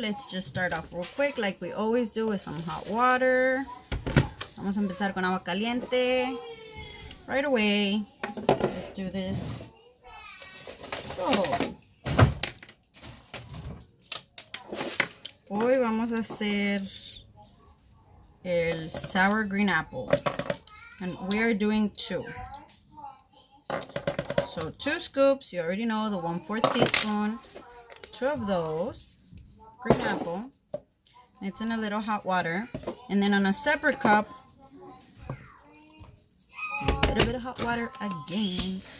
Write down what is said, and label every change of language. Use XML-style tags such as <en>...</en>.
<en>just start off real quick like we always do with some hot water.</en> <es>Vamos a empezar con agua caliente.</es> <en>Right away. Let's do this.</en> <es>So, hoy vamos a hacer el sour green apple.</es> <en>And we are doing two. So two scoops, you already know, the 1/4 teaspoon. Two of those, green apple. It's in a little hot water. And then on a separate cup, a little bit of hot water again.</en>